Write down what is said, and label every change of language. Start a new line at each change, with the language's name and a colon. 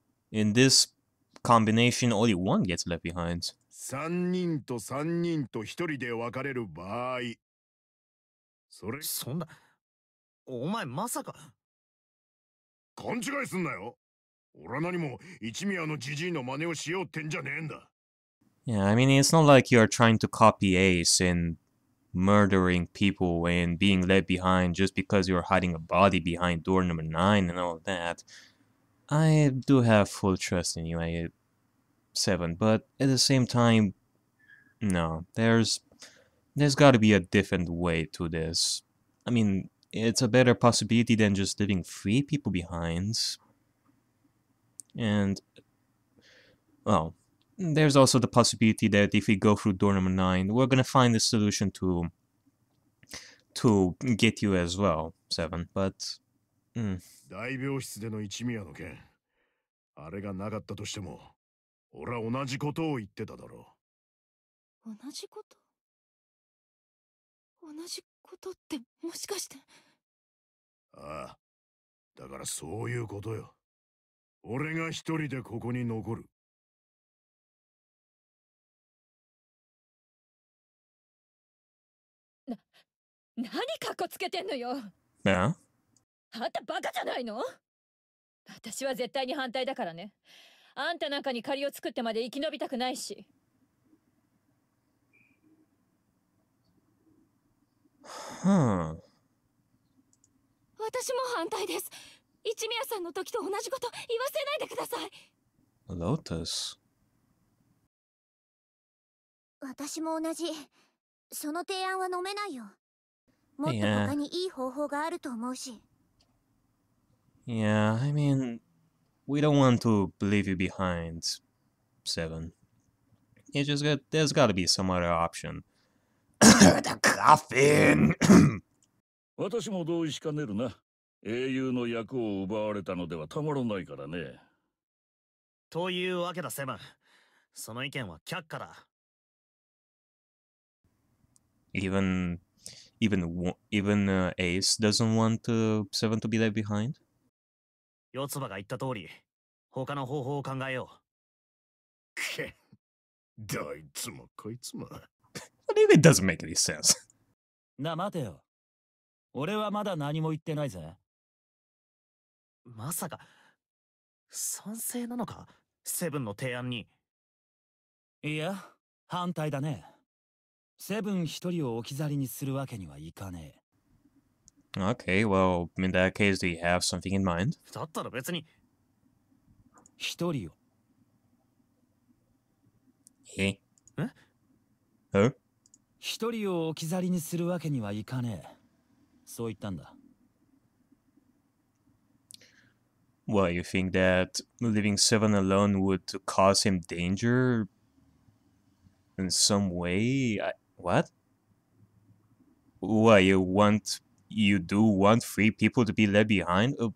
English: In this combination, only one gets left behind.
Japanese: 三人と三人と一人で分かれる場合、それそんな、お前まさか勘違いすんなよ。俺は何も一宮のジジイの真似をしようってんじゃねえんだ。
English: Yeah, I mean, it's not like you are trying to copy Ace and murdering people and being left behind just because you are hiding a body behind door number 9 and all that. I do have full trust in you, A7, but at the same time, no, there's got to be a different way to this. I mean, it's a better possibility than just leaving 3 people behind. And, well... There's also the possibility that if we go through door number 9, we're gonna find a solution to get you as well, 7, but...
Japanese: 大病室での一宮の件、あれがなかったとしても、俺は同じことを言ってただろう。同じこと？同じことってもしかして？ああ、だからそういうことよ。俺が一人でここに残る。何カッコつけてんのよ。
English: Yeah.
Japanese: あんたバカじゃないの。私は絶対に反対だからね。あんたなんかに借りを作ってまで生き延びたくないし。
English: Huh.
Japanese: 私も反対です。一宮さんの時と同じこと言わせないでください。 Lotus。私も同じ。その提案は飲めないよ。もっと他にいい方法があると思うし。
English: Yeah, I mean, we don't want to leave you behind, 7. It's just that there's gotta be some other option. The coffin!
Japanese: 私も同意しかねるな。英雄の役を奪われたのではたまらないからね。というわけだ、セブン。その意見は却下だ。
English: Even Ace doesn't want to, Seven to be left behind?
Japanese: Yotsuba が言った通り、他の方法を考えよう。け、どいつもこいつも。
English: But even it doesn't make any sense.
Japanese: な、待てよ。俺はまだ何も言ってないぜ。まさか、賛成なのか、セブンの提案に。いや、反対だね。セブン一人を置き去りにするわけにはいかねえ。
English: Okay, well, in that case, do you have something in mind?
Japanese: だったら別に。一人を。え？え？え？一人を置き去りにするわけにはいかねえ。そう言ったんだ。
English: Well, you think that leaving Seven alone would cause him danger in some way? What? Why you want? You do want 3 people to be left behind?